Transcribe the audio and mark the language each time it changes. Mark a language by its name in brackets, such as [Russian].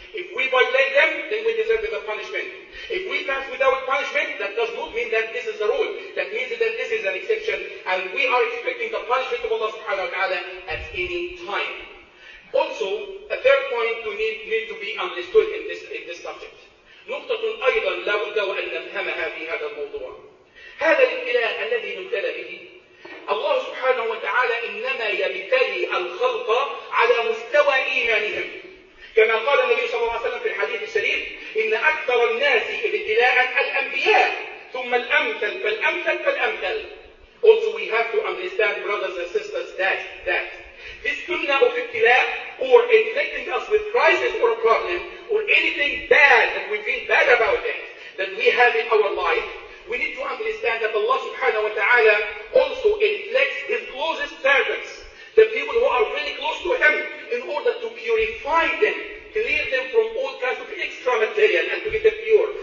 [English] If we violate them, then we deserve the punishment. If we pass without punishment, that does not mean that this is the rule. That means that this is an exception, and we are expecting the punishment of Allah subhanahu wa ta'ala at any time. Also, a third point to need to be understood in this subject. [Arabic] نقطة أيضا لا بد وأن نفهمها في هذا الموضوع. هذا الإله الذي نبتلى به. الله سبحانه وتعالى إنما يبتلي الخلق على مستوى إيمانهم. كما قال النبي صلى الله عليه وسلم في الحديث الشريف: إن أكثر الناس ابتلاء الأنبياء ثم الأمثل فالأمثل فالأمثل. [English] Also we have to understand, brothers and sisters, that this dunya of ابتلاء or inflicting us with crisis or a problem or anything bad that we feel bad about it that we have in our life, we need to understand that Allah subhanahu wa ta'ala also inflicts His closest servants, the people who are really close to Him, in order to purify them, clear them from all kinds of extra material and to get them pure.